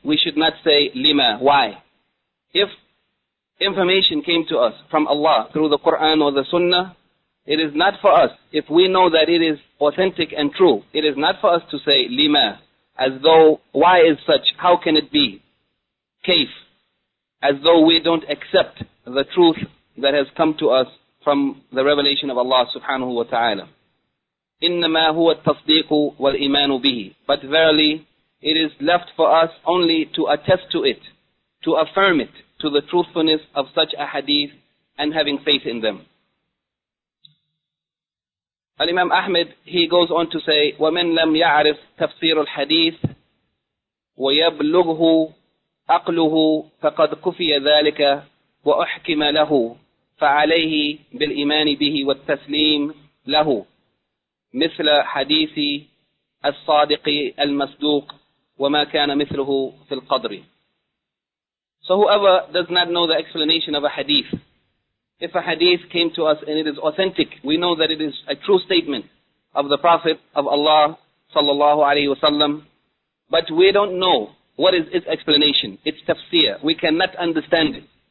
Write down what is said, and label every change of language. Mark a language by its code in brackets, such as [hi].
[en] We should not say lima, why? If information came to us from Allah through the Quran or the Sunnah, it is not for us, if we know that it is authentic and true, it is not for us to say lima, as though, why is such, how can it be, kayf, as though we don't accept the truth that has come to us from the revelation of Allah subhanahu wa ta'ala. [ar] إِنَّمَا هُوَ التَّصْدِيقُ وَالْإِيمَانُ بِهِ. [en] But verily, it is left for us only to attest to it, to affirm it, to the truthfulness of such a hadith, and having faith in them. Al-Imam Ahmed, he goes on to say, [ar] وَمَنْ لَمْ يَعْرِفْ تَفْسِيرُ الْحَدِيثِ وَيَبْلُغْهُ أَقْلُهُ فَقَدْ كُفِيَ ذَلِكَ وَأُحْكِمَ لَهُ فَعَلَيْهِ بِالْإِيمَانِ بِهِ وَالتَّسْلِيمِ لَهُ مِثْلَ حَدِيثِ الصَّادِقِ الْمَسْدُوقِ وَمَا كَانَ مِثْلُهُ فِي الْقَدْرِ. [en] So whoever does not know the explanation of a hadith, if a hadith came to us and it is authentic, we know that it is a true statement of the Prophet of Allah sallallahu alaihi wasallam, but we don't know what is its explanation, its tafsir, we cannot understand it.